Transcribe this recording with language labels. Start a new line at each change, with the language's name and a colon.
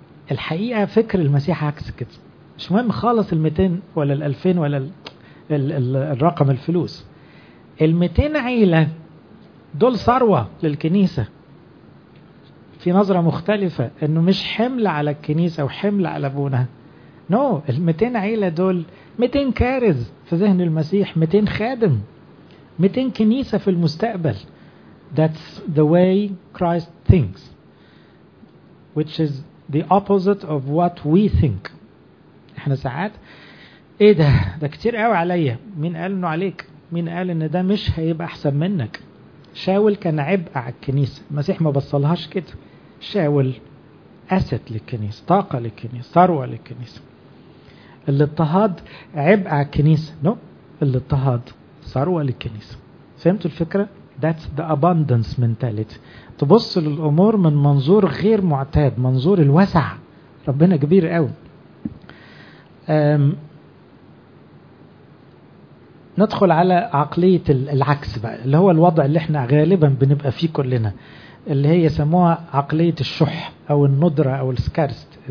Arabic: الحقيقة فكر المسيح عكس كده، مش مهم خالص الميتين ولا الالفين ولا الرقم الفلوس، الميتين عيلة دول ثروة للكنيسة في نظرة مختلفة، انه مش حمل على الكنيسة وحمل على ابونها. نو الميتين عيلة دول 200 كارز في ذهن المسيح، 200 خادم، 200 كنيسة في المستقبل.
English: That's the way Christ thinks which is the opposite of what we think.
Arabic: احنا ساعات ايه ده كتير قوي عليا، مين قال انه عليك؟ مين قال ان ده مش هيبقى احسن منك؟ شاول كان عبء على الكنيسة، المسيح ما بصلهاش كده، شاول اسد للكنيسة، طاقة للكنيسة، ثروة للكنيسة. الاضطهاد عبء على الكنيسة، نو الاضطهاد ثروة للكنيسة. فهمتوا الفكرة؟
English: That's the abundance mentality.
Arabic: تبص للأمور من منظور غير معتاد، منظور الوسع، ربنا كبير قوي. ندخل على عقلية العكس بقى، اللي هو الوضع اللي احنا غالبا بنبقى فيه كلنا، اللي هي يسموها عقلية الشح أو الندرة أو السكارست.